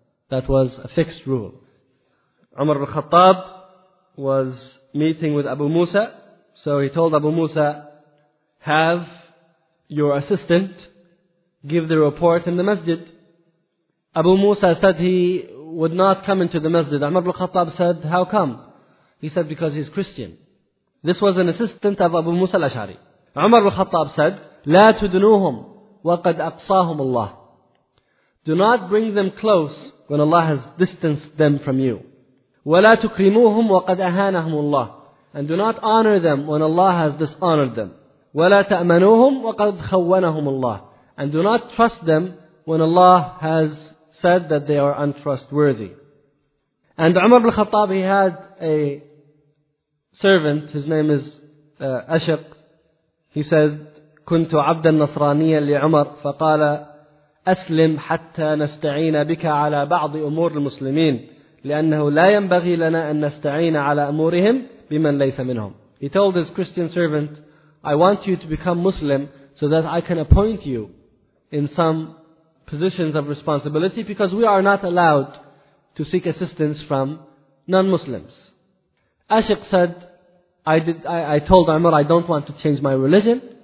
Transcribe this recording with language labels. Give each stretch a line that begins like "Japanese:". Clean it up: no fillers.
English: That was a fixed rule. Umar ibn Khattab was meeting with Abu Musa, so he told Abu Musa, have your assistant give the report in the masjid. Abu Musa said he would not come into the masjid. Umar ibn Khattab said, how come? He said, because he's Christian. This was an assistant of Abu Musa al-Ash'ari. Umar al-Khattab said,
Arabic: لا تدنوهم وقد أقصاهم الله.
English: Do not bring them close when Allah has distanced them from you.
Arabic: ولا تكرموهم وقد أهانهم الله.
English: And do not honor them when Allah has dishonored them.
Arabic: ولا تأمنوهم وقد خونهم الله.
English: And do not trust them when Allah has said that they are untrustworthy. And Umar ibn Khattab, he had a servant. His name is Ashiq. He said,
Arabic: كنت عبدا نصرانيا لعمر فقال أسلم حتى نستعين بك على بعض أمور المسلمين لأنه لا ينبغي لنا أن نستعين على أمورهم بمن ليس منهم.
English: He told his Christian servant, I want you to become Muslim so that I can appoint you in some positions of responsibility because we are not allowed to seek assistance from non-Muslims. Ashiq said, I told Umar I don't want to change my religion.